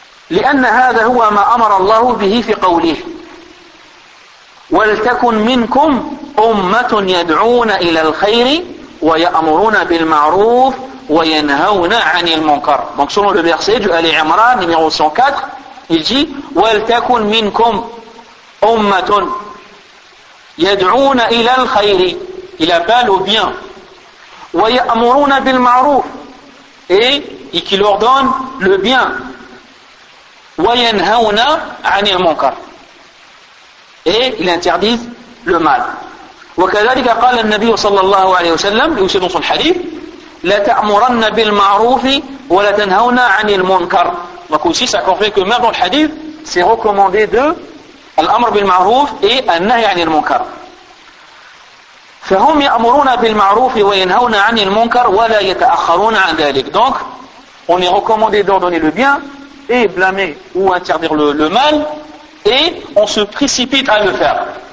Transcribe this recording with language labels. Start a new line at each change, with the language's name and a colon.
Arabic: لأن هذا هو ما أمر الله به في قوله ولتكن منكم أمة يدعون إلى الخير ويأمرون بالمعروف وينهون عن المنكر.
French: Donc selon le verset de Al-Imran numéro 104, il dit
Arabic: ولتكن منكم أمة يدعون إلى الخير,
French: il appelle au bien,
Arabic: ويأمرون بالمعروف,
French: et qui leur donne le bien,
Arabic: وَيَنْهَوْنَا عَنِ الْمُنْكَرِ,
French: et il interdit le mal.
Arabic: وَكَذَلِكَ قَالَ النَّبِيُّ صَلَّى اللَّهُ عَلَيْهِ وَسَلَّمُ,
French: et aussi dans son hadith,
Arabic: لَتَأْمُرَنَّ بِالْمَعْرُوفِ وَلَتَنْهَوْنَا عَنِ الْمُنْكَرِ.
French: Donc aussi ça confirme que même dans le hadith, c'est recommandé de
Arabic: الْأَمْرُ بِالْمَعْرُوفِ
French: et
Arabic: النَّهْيَ عَنِ الْمُنْكَرِ. فَهُمْ يَأْمُرُونَ بِالْمَعْرُوفِ وَيَنْهَوْنَا عَنِ الْمُنْكَرِ وَلَا يَتَأَخَّرُونَ عَنْ ذَلِكَ.
French: Donc, on est recommandé d'ordonner le bien et blâmer ou interdire le mal, et on se précipite à le faire.